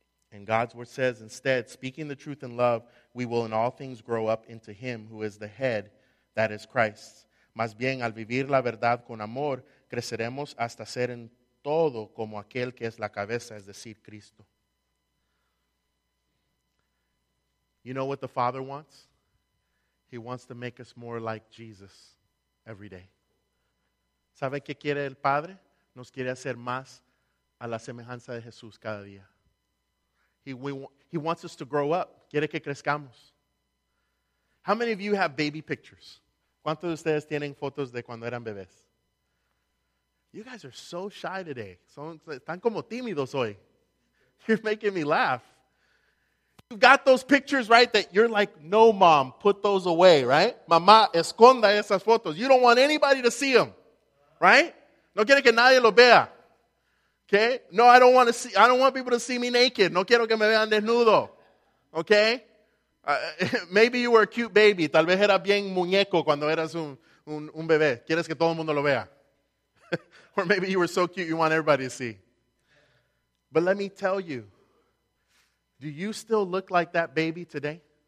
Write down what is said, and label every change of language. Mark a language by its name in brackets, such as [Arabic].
[English] And God's word says, instead, speaking the truth in love, we will in all things grow up into him who is the head, that is Christ. [Spanish] Más bien, al vivir la verdad con amor, creceremos hasta ser en todo como aquel que es la cabeza, es decir, Cristo. [English] You know what the Father wants? He wants to make us more like Jesus every day. [Spanish] ¿Sabe qué quiere el Padre? nos quiere hacer más a la semejanza de Jesús cada día. [English] He wants us to grow up. [Spanish] Quiere que crezcamos. [English] How many of you have baby pictures? [Spanish] ¿Cuántos de ustedes tienen fotos de cuando eran bebés? [English] You guys are so shy today. [Spanish] Están como tímidos hoy. [English] You're making me laugh. You've got those pictures, right, that you're like, no, mom, put those away, right? [Spanish] Mamá, esconda esas fotos. [English] You don't want anybody to see them, right? [Spanish] No quiere que nadie lo vea. [English] Okay? No, I don't want people to see me naked. [Spanish] No quiero que me vean desnudo. [English] Okay? Maybe you were a cute baby. [Spanish] Tal vez eras bien muñeco cuando eras un bebé. Quieres que todo el mundo lo vea. [English] Or maybe you were so cute you want everybody to see. But let me tell you, do you still look like that baby today?